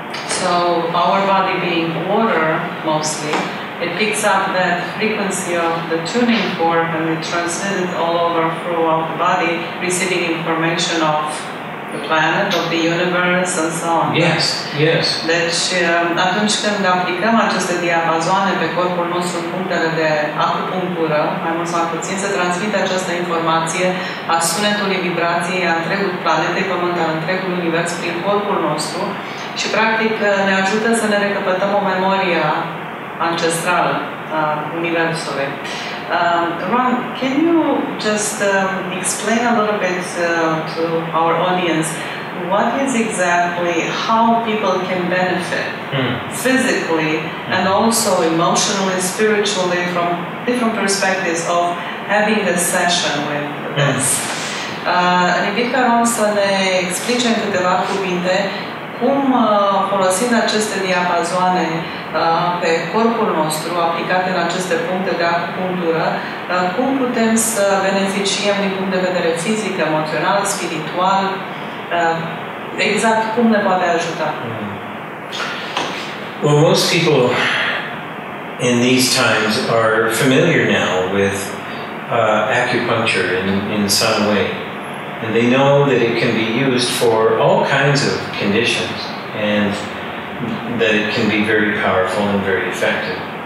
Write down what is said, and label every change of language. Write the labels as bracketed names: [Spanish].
[English] So our body being water mostly, it picks up that frequency of the tuning fork and it transmits it all over throughout the body, receiving information of the planet, of the universe, and so on. Yes, yes. [Romanian] Deci, atunci când aplicăm aceste diapazoane pe corpul nostru în punctele de acupunctură, mai mult sau puțin, se transmite această informație a sunetului vibrației a întregului planetei Pământ, a întregului univers prin corpul nostru și, practic, ne ajută să ne recapătăm o memorie ancestrală a universului. [English] Ron, can you just explain a little bit to our audience what is exactly how people can benefit physically and also emotionally, spiritually from different perspectives of having this session with us? [Romanian] Ridica Ron să ne explice în câteva cuvinte cum folosind aceste diapazoane pe corpul nostru, aplicate în aceste puncte de acupunctură, cum putem să beneficiem din punct de vedere fizic, emoțional, spiritual, exact cum ne poate ajuta? [English] Well, most people in these times are familiar now with acupuncture in some way. And they know that it can be used for all kinds of conditions and that it can be very powerful and very effective.